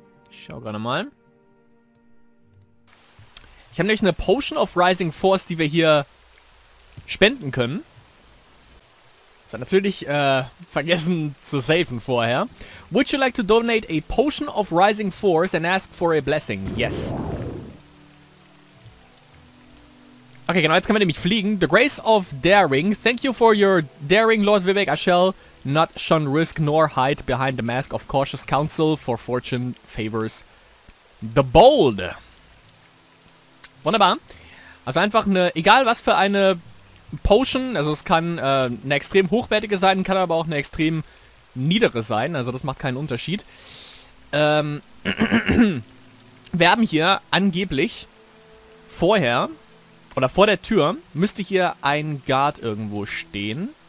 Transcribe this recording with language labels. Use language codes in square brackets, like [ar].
[de] Ich schau gerade mal. Ich habe nämlich eine Potion of Rising Force, die wir hier spenden können. So, natürlich vergessen zu saven vorher. [en] Would you like to donate a Potion of Rising Force and ask for a blessing? Yes. [de] Okay, genau, jetzt können wir nämlich fliegen. [en] The Grace of Daring. Thank you for your daring, Lord Vivek. I shall not shun risk nor hide behind the mask of cautious counsel, for fortune favors the bold. [de] Wunderbar. Also einfach eine, egal was für eine Potion, also es kann eine extrem hochwertige sein, kann aber auch eine extrem niedere sein, also das macht keinen Unterschied. Wir haben hier angeblich vorher, oder vor der Tür, müsste hier ein Guard irgendwo stehen.